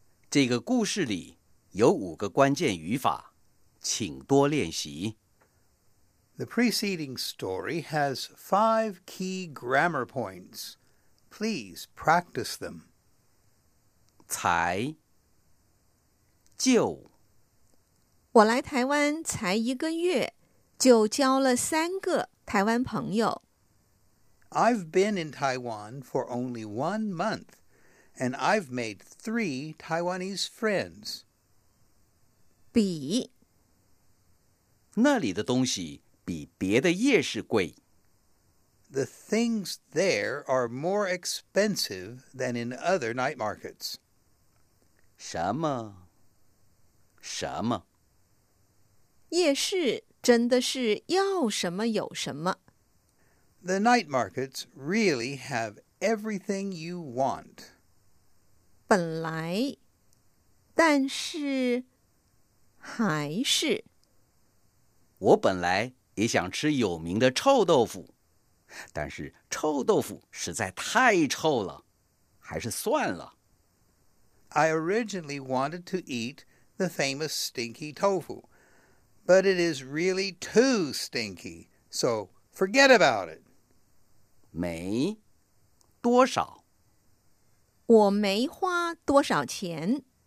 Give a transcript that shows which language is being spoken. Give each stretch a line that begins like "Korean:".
Chinese: 这个故事里有五个关键语法，请多练习。
English: The preceding story has five key grammar points. Please practice them.
Chinese: 才，就。我来台湾才一个月，就交了三个台湾朋友。
English: I've been in Taiwan for only 1 month, and I've made 3 Taiwanese friends.
Chinese: 比，那里的东西比别的夜市贵。
English: The things there are more expensive than in other night markets.
Chinese: 什么？什么？夜市真的是要什么有什么。
English: The night markets really have everything you want.
Chinese: 本来，但是还是，我本来也想吃有名的臭豆腐，但是臭豆腐实在太臭了，还是算了。
English: I originally wanted to eat the famous stinky tofu, but it is really too stinky, so forget about it.
Chinese: 没，多少？我没花多少钱。